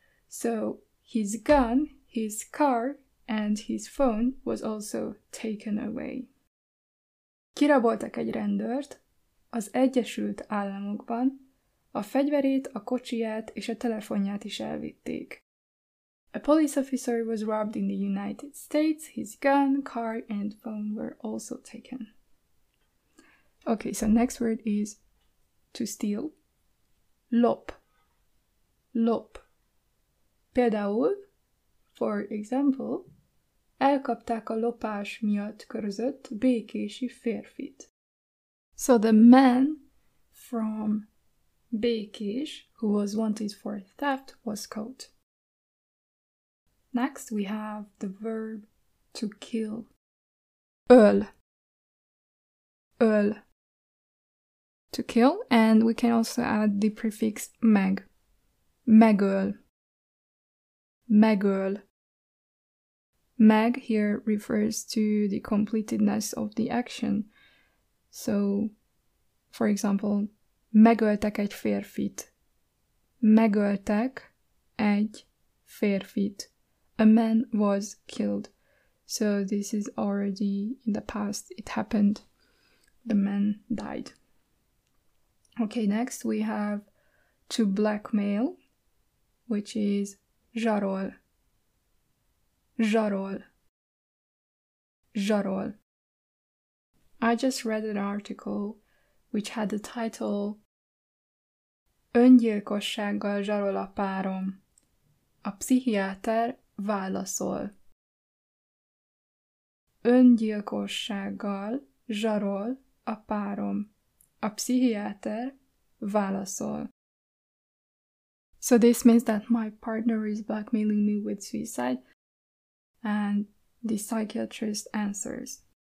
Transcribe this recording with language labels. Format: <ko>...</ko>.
<en>So, his gun, his car and his phone was also taken away.</en> <hu>Kiraboltak egy rendőrt az Egyesült Államokban, a fegyverét, a kocsiját és a telefonját is elvitték.</hu> <en>A police officer was robbed in the United States. His gun, car and phone were also taken. Okay, so next word is to steal. Lop. Lop.</en> <hu>Például,</hu> <en>for example,</en> <hu>elkapták a lopás miatt körözött békési férfit.</hu> <en>So the man from Békés, who was wanted for theft, was caught. Next, we have the verb to kill. Öl. Öl. To kill, and we can also add the prefix meg. Megöl. Megöl. Meg here refers to the completedness of the action. So, for example,</en> <hu>megöltek egy férfit. Megöltek egy férfit.</hu> <en>A man was killed. So this is already in the past. It happened. The man died. Okay, next we have to blackmail, which is zsarol. Zsarol. Zsarol. I just read an article which had the title</en> <hu>Öngyilkossággal zsarol a párom. A pszichiáter válaszol. Öngyilkossággal zsarol a párom. A pszichiáter válaszol.</hu> <en>So this means that my partner is blackmailing me with suicide and the psychiatrist answers.</en>